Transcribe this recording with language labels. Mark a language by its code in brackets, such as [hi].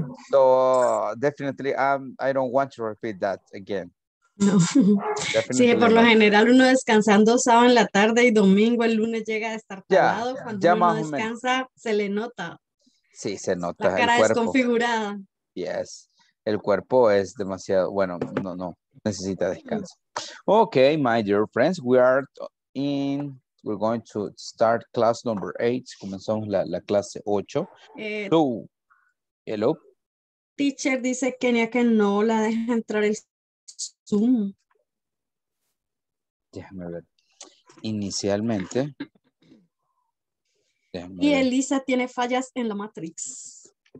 [en] So definitely, I don't want to repeat that again. [es] No. Sí, por lo general uno descansando sábado en la tarde y domingo el lunes llega a estar tardado. Cuando uno descansa, se le nota. Sí, se nota. La cara desconfigurada. [en] Yes. [es] El cuerpo es demasiado, bueno, no, necesita descanso. [en] Okay, my dear friends, we're going to start class number 8. [es] Comenzamos la clase 8. Hello. Teacher dice Kenia que no la deja entrar el Zoom. Déjame ver. Inicialmente. Déjame y Elisa ver. Tiene fallas en la Matrix.